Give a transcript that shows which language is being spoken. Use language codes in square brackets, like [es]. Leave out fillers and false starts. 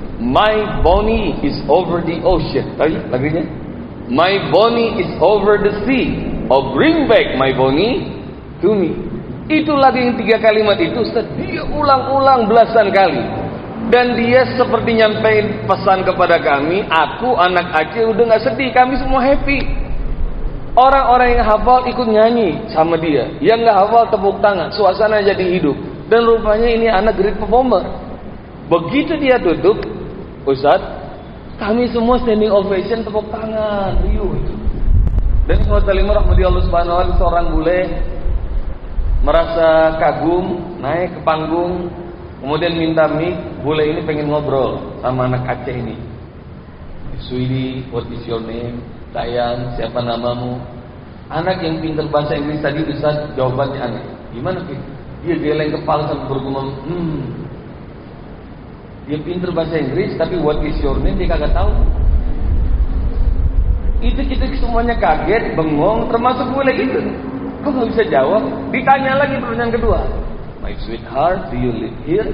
[en] My bonnie is over the ocean. [id] Tahu lagunya? [en] My bonnie is over the sea. Oh, bring back my bonnie to me. [id] Itu lagu yang 3 kalimat itu Ustaz. Dia ulang-ulang belasan kali. Dan dia seperti nyampein pesan kepada kami. Aku anak Aceh udah gak sedih. Kami semua happy. Orang-orang yang hafal ikut nyanyi sama dia. Yang gak hafal tepuk tangan. Suasana jadi hidup. Dan rupanya ini anak great performer. Begitu dia duduk, Ustaz, kami semua standing ovation tepuk tangan. Riuh itu. Dan Ustaz Rahmatullah Subhanahu Wa Ta'ala, seorang bule merasa kagum, naik ke panggung, kemudian minta mic, bule ini pengen ngobrol sama anak Aceh ini. [en] Suidi, what is your name? [id] Tayang, siapa namamu? Anak yang pintar bahasa Inggris tadi, Ustaz, jawabannya aneh. Gimana, Fit? Dia geleng kepala sampai bergumam, dia pintar bahasa Inggris, tapi [en] what is your name, [id] dia kagak tahu. Itu kita semuanya kaget, bengong, termasuk bule itu. Kok gak bisa jawab? Ditanya lagi pertanyaan kedua. [en] My sweetheart, do you live here?